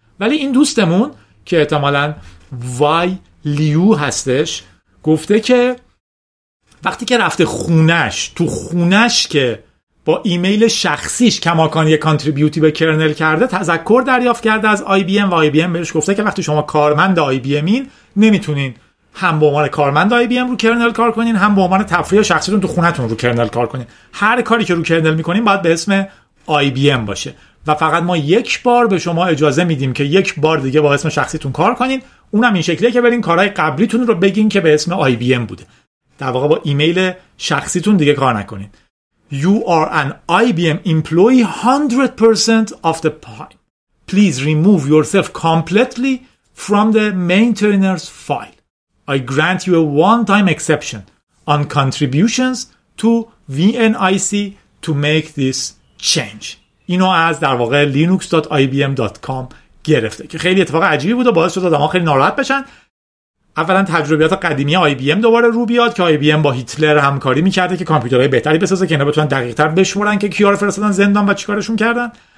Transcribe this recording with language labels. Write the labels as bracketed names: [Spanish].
[Persian] ولی این دوستمون که احتمالاً وای لیو هستش گفته که وقتی که رفته خونش، تو خونش که با ایمیل شخصیش کماکان یه کانتریبیوتی به کرنل کرده، تذکر دریافت کرده از IBM و IBM بهش گفته که وقتی شما کارمند IBMین نمیتونین هم به عنوان کارمند IBM رو کرنل کار کنین، هم به عنوان تفریح شخصیتون تو خونتون رو کرنل کار کنین. هر کاری که رو کرنل میکنین باید به اسم IBM باشه. و فقط ما یک بار به شما اجازه میدیم که یک بار دیگه با اسم شخصیتون کار کنین، اونم این شکلیه که برین کارهای قبلیتون رو بگین که به اسم آی بی ام بوده، در واقع با ایمیل شخصیتون دیگه کار نکنین. [English] You are an IBM employee 100% of the time. Please remove yourself completely from the maintainer's file. I grant you a one-time exception on contributions to VNIC to make this change. [Persian] اینو از در واقع linux.ibm.com گرفته که خیلی اتفاق عجیبی بود و باعث شد آدم‌ها خیلی ناراحت بشن. اولا تجربیات قدیمی IBM دوباره رو بیاد که IBM با هیتلر همکاری میکرده که کامپیوترهای بهتری بسازه که اینا بتونن دقیق‌تر بشمرن که کیا رو فرستادن زندان و چیکارشون کردن.